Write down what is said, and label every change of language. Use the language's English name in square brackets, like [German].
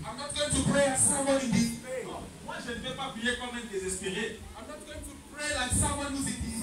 [English] I'm not going to pray as someone in despair. [French] Moi, je ne vais pas prier comme un désespéré. [English] I'm not going to pray like someone who's in despair.